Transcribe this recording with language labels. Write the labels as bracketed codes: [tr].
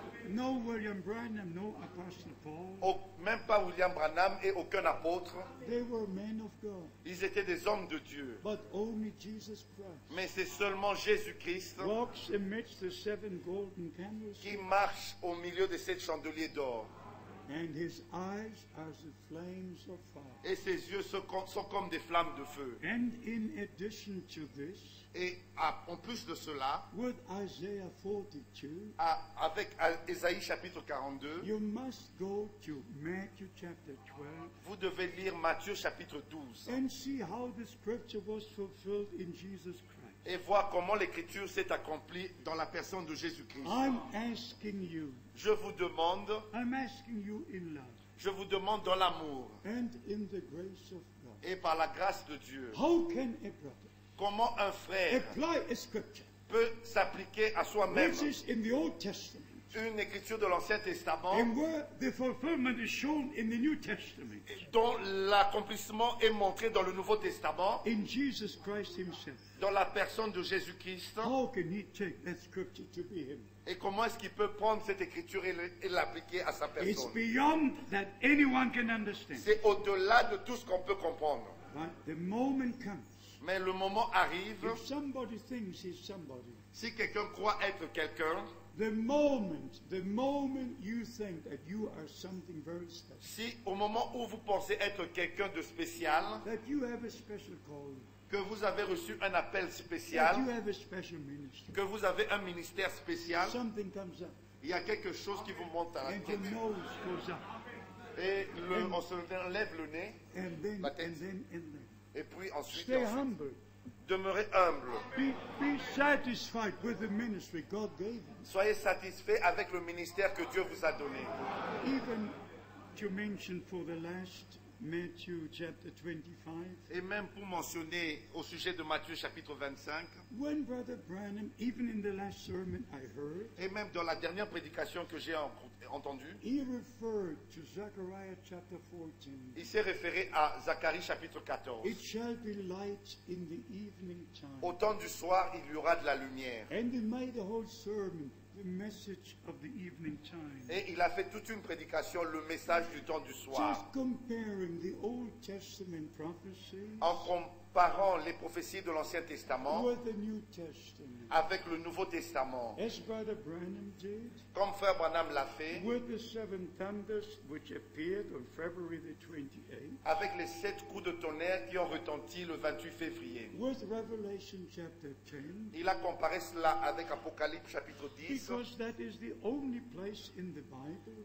[en] No William Branham, no Apostle Paul. [fr] Même pas William Branham et aucun apôtre. [en] They were men of God. [fr] Ils étaient des hommes de Dieu. [en] But only Jesus Christ. [fr] Mais c'est seulement Jésus-Christ [en] walks amidst the seven golden candlesticks. [fr] Qui marche au milieu des sept chandeliers d'or. [en] And his eyes are the flames of fire. [fr] Et ses yeux sont comme des flammes de feu. [en] And in addition to this, [fr] et en plus de cela, [en] with Isaiah 42, [fr] avec Ésaïe chapitre 42, [en] you must go to Matthew chapter 12, [fr] vous devez lire Matthieu chapitre 12. [en] And see how the scripture was fulfilled in Jesus Christ. [fr] Et voir comment l'écriture s'est accomplie dans la personne de Jésus-Christ. [en] I'm asking you, [fr] je vous demande, [en] I'm asking you in love, [fr] je vous demande dans l'amour [en] and in the grace of God, [fr] et par la grâce de Dieu, [en] how can a brother, [fr] comment un frère [en] apply a scripture, [fr] peut s'appliquer à soi-même [en] which is in the Old Testament, [fr] une écriture de l'Ancien Testament, [en] and where the fulfillment is shown in the New Testament, [fr] dont l'accomplissement est montré dans le Nouveau Testament, [en] in Jesus Christ himself, [fr] dans la personne de Jésus-Christ. [en] How can he take that scripture to be him? [fr] Et comment est-ce qu'il peut prendre cette écriture et l'appliquer à sa personne? [en] It's beyond that anyone can understand. [fr] C'est au-delà de tout ce qu'on peut comprendre. [en] But the moment comes, [fr] mais le moment arrive, [en] if somebody thinks he's somebody, [fr] si quelqu'un croit être quelqu'un, [en] the moment you think that you are something very special, [fr] si au moment où vous pensez être quelqu'un de spécial, [en] that you have a special call, [fr] que vous avez reçu un appel spécial, [en] that you have a special ministry, [fr] que vous avez un ministère spécial, [en] something comes up, [fr] il y a quelque chose qui vous monte à la tête, [en] and your nose goes up, [fr] et on se lève le nez, [en] and then, [fr] la tête, [en] and then. [fr] Et puis ensuite, [en] stay humble. [fr] Demeurez humble. [en] Be satisfied with the ministry God gave you. [fr] Soyez satisfait avec le ministère que Dieu vous a donné. [en] Even to mention for the last Matthew chapter 25. [fr] Et même pour mentionner au sujet de Matthieu chapitre 25. [en] When Brother Branham, even in the last sermon I heard. [fr] Et même dans la dernière prédication que j'ai entendue. [en] He referred to Zechariah chapter 14. [fr] Il s'est référé à Zacharie chapitre 14. [en] It shall be light in the evening time. [fr] Au temps du soir, il y aura de la lumière. [en] And he made the whole sermon the message of the evening time. [fr] Et il a fait toute une prédication, le message du temps du soir. [en] Just comparing the Old Testament prophecies, [fr] en comparant les prophéties de l'Ancien Testament, [en] with the New Testament, [fr] avec le Nouveau Testament, [en] as Brother Branham did, [fr] comme Frère Branham l'a fait, [en] with the seven thunders which appeared on February the 28th, [fr] avec les sept coups de tonnerre qui ont retenti le 28 février. [en] With Revelation chapter 10, [fr] il a comparé cela avec Apocalypse chapitre 10, [en] because that is the only place in the Bible,